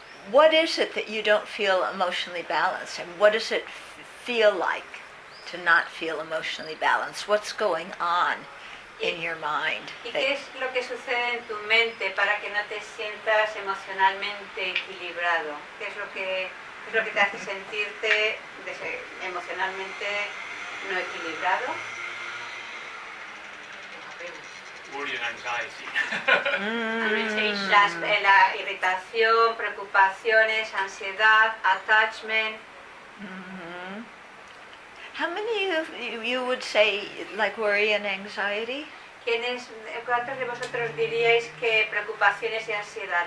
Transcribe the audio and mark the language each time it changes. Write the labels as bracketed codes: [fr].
[en] What is it that you don't feel emotionally balanced? And what does it feel like to not feel emotionally balanced? What's going on in your mind? [es] ¿Y qué es lo que sucede en tu mente para que no te sientas emocionalmente equilibrado? ¿Qué es lo que te hace sentirte emocionalmente no equilibrado? La irritación, preocupaciones, ansiedad, attachment. Mm-hmm. [en] How many of you would say like worry and anxiety? [es] ¿Cuántos de vosotros diríais que preocupaciones y ansiedad?